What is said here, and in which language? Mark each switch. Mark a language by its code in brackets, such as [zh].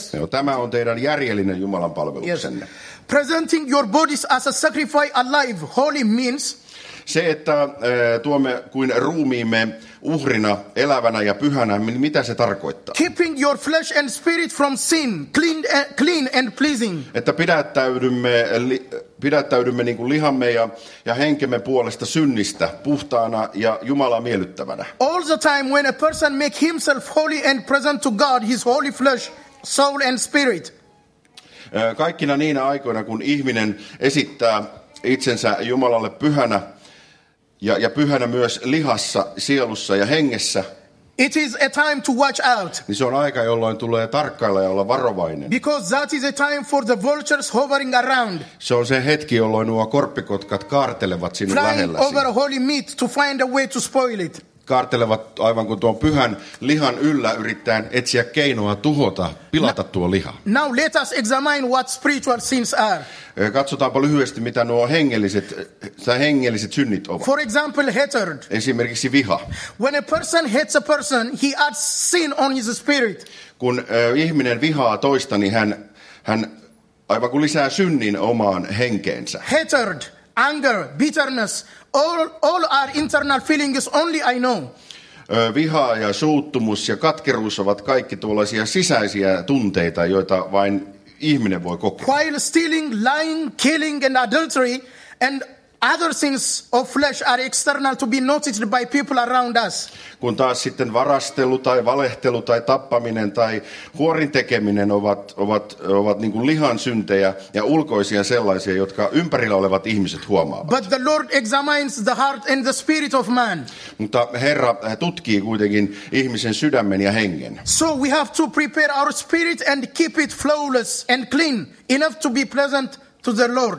[fi] Tämä on teidän järjellinen Jumalan palveluksenne. [en] Yes. Presenting your bodies as a sacrifice alive, holy means. [fi] Se, että tuomme kuin ruumiimme uhrina, elävänä ja pyhänä, mitä se tarkoittaa? [en] Keeping your flesh and spirit from sin, clean and pleasing. [fi] Että pidättäydymme niin kuin lihamme ja henkemme puolesta synnistä, puhtaana ja Jumalaa miellyttävänä. [en] All the time when a person make himself holy and present to God, his holy flesh, soul and spirit. [fi] Kaikkina niinä aikoina, kun ihminen esittää itsensä Jumalalle pyhänä, ja pyhänä myös lihassa, sielussa ja hengessä. [en] It is a time to watch out. [fi] Niin se on aika, jolloin tulee tarkkailla ja olla varovainen. [en] Because that is a time for the vultures hovering around. [fi] Se on se hetki, jolloin nuo korppikotkat kaartelevat sinun [en] flying [fi] lähelläsi. [en] Over holy meat to find a way to spoil it. [fi] Kaartelevat aivan kuin tuon pyhän lihan yllä yrittäen etsiä keinoa tuhota, pilata tuo liha. [en] Now let us examine what spiritual sins are. [fi] Katsotaanpa lyhyesti, mitä nuo hengelliset synnit ovat. [en] For example, hatred. [fi] Esimerkiksi viha. [en] When a person hates a person, he adds sin on his spirit. [fi] Kun ihminen vihaa toista, niin hän aivan kuin lisää synnin omaan henkeensä. [en] Hatred, anger, bitterness. All are internal feelings only I know. [fi] Viha ja suuttumus ja katkeruus ovat kaikki tuollaisia sisäisiä tunteita, joita vain ihminen voi kokea. [en] While stealing, lying, killing and adultery and other sins of flesh are external to be noticed by people around us. [fi] Kun taas sitten varastelu tai valehtelu tai tappaminen tai huorin tekeminen ovat niin kuin lihan syntejä ja ulkoisia sellaisia, jotka ympärillä olevat ihmiset huomaavat. [en] But the Lord examines the heart and the spirit of man. [fi] Mutta Herra tutkii kuitenkin ihmisen sydämen ja hengen. [en] So we have to prepare our spirit and keep it flawless and clean enough to be pleasant to the Lord.